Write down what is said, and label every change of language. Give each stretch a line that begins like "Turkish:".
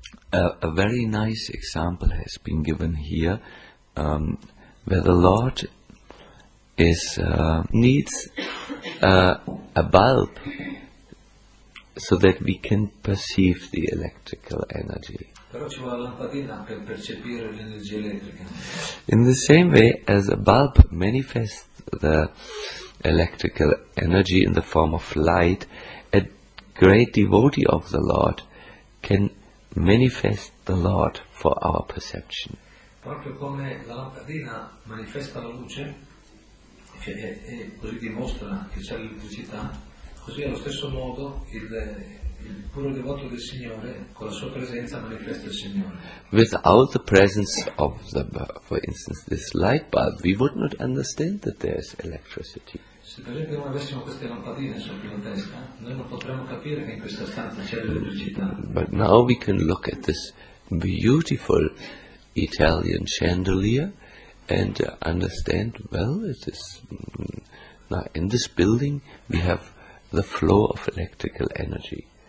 English: A very nice example has been given here. Where the Lord is needs a bulb so that we can perceive the electrical energy.
Italian: Però ci vuole la lampadina per percepire l'energia elettrica.
English: In the same way as a bulb manifests the electrical energy in the form of light, a great devotee of the Lord can manifest the Lord for our perception.
Italian: Proprio come la lampadina manifesta la luce, cioè e così dimostra che c'è l'elettricità, così allo stesso modo il puro devoto del Signore con la sua presenza manifesta il Signore.
English: Without the presence of the, for instance, this light bulb, we would not understand that there is electricity.
Italian: Se per esempio non avessimo queste lampadine sotto la testa, noi non potremmo capire che in questa stanza c'è l'elettricità.
English: But now we can look at this beautiful Italian chandelier and understand, well, it is now in this building we have the flow of electrical energy.